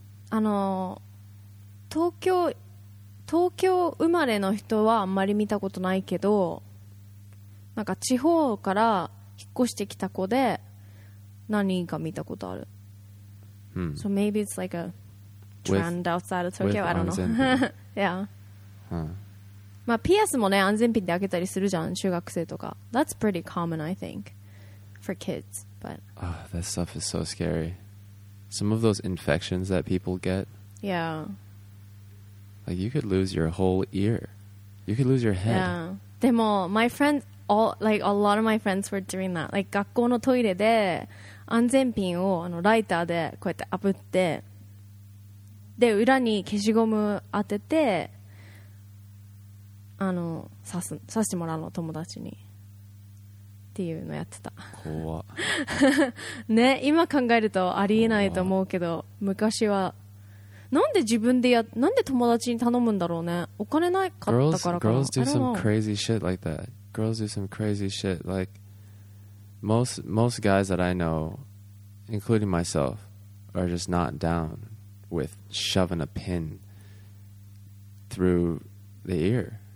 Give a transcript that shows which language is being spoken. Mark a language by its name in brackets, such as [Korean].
[Japanese] あの東京生まれの人はあんまり見たことないけど、なんか地方から引っ越してきた子で何か見たことある。 Hmm. [English] So maybe it's like a trend outside of Tokyo. I don't know. yeah. Huh. [Japanese] まあピアスもね安全ピンで開けたりするじゃん中学生とか。 [English] That's pretty common, I think, for kids. But that stuff is so scary. Some of those infections that people get. Yeah. Like you could lose your whole ear. You could lose your head. Yeah. [Japanese] でも [English] my friends all like a lot of my friends were doing that. Like [Japanese] 学校のトイレで安全ピンをあのライターでこうやって炙って、で裏に消しゴム当てて、あの刺してもらうの友達にっていうのやってた。怖っ。ね、今考えるとありえないと思うけど、昔は。なんで自分でなんで友達に頼むんだろうね。お金ないかったからかな。 [English] Girls do some crazy shit like that. Girls do some crazy shit. Like most guys that I know, including myself, are just not down with shoving a pin through the ear.